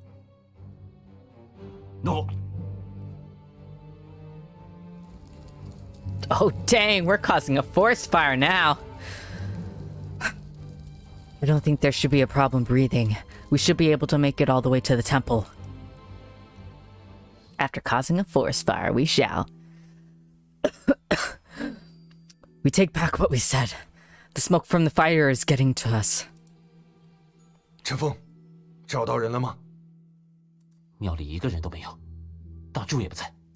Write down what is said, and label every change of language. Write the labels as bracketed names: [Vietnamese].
[Chinese] 我听到了。陈峰将火油做引燃物,其他人跟着陈峰将树林点了。 [English] No! Oh dang, we're causing a forest fire now! I don't think there should be a problem breathing. We should be able to make it all the way to the temple. After causing a forest fire, we shall. We take back what we said. The smoke from the fire is getting to us. [Chinese] Chen Feng, 找到人了吗? 庙里一个人都没有, 大柱也不在。